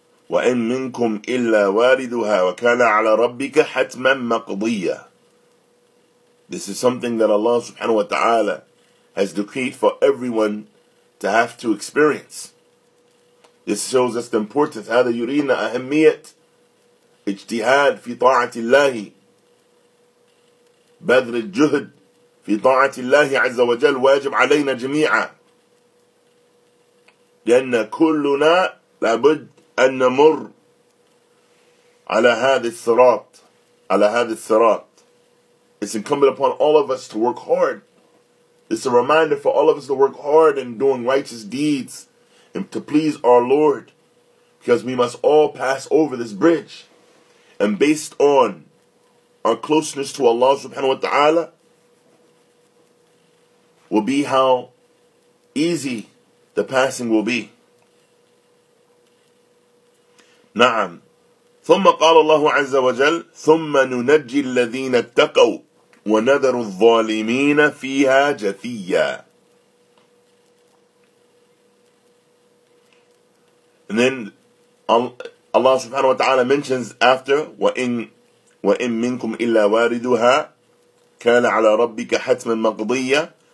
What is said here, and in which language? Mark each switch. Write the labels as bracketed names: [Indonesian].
[Arabic] وَإِن مِنْكُمْ إِلَّا وَارِدُهَا وَكَانَ عَلَى رَبِّكَ حَتْمًا مَقْضِيًّا. [English] This is something that Allah subhanahu wa ta'ala has decreed for everyone to have to experience. This shows us the importance. [Arabic] هذا يرينا أهمية اجتهاد في طاعة الله بذل الجهد في طاعة الله عز وجل واجب علينا جميعا لأن كلنا لابد أن نمر على هذا الصراط على هذا الصراط. [English] It's incumbent upon all of us to work hard. It's a reminder for all of us to work hard in doing righteous deeds and to please our Lord. Because we must all pass over this bridge. And based on our closeness to Allah subhanahu wa ta'ala, will be how easy the passing will be. Na'am. [Arabic] ثم قال الله عز وجل ثم ننجي الذين اتقوا ونذر الظالمين فيها جثيا. [English] And then Allah subhanahu wa ta'ala mentions after [Arabic] وَإِن مِنْكُمْ إِلَّا وَارِدُهَا كَانَ عَلَى رَبِّكَ حَتْمًا مَقْضِيًّا.